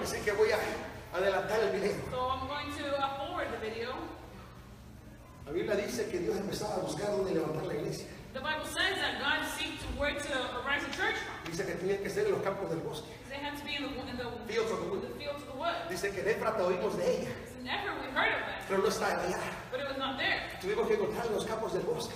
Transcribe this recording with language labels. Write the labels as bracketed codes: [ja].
[es] Así que voy a adelantar el video. [en] So I'm going to forward the video. [es] La Biblia dice que Dios empezaba a buscar dónde levantar la iglesia. [en] The Bible says that God seeks to where to arise a church from. [es] Dice que tenía que ser en los campos del bosque. [en] They had to be in the fields of the woods. [es] Dice que en Éfrata oímos de ella. [en] Never we heard of it. [es] Pero no estaba allá. [en] But it was not there. [es] Tuvimos que encontrar los campos del bosque.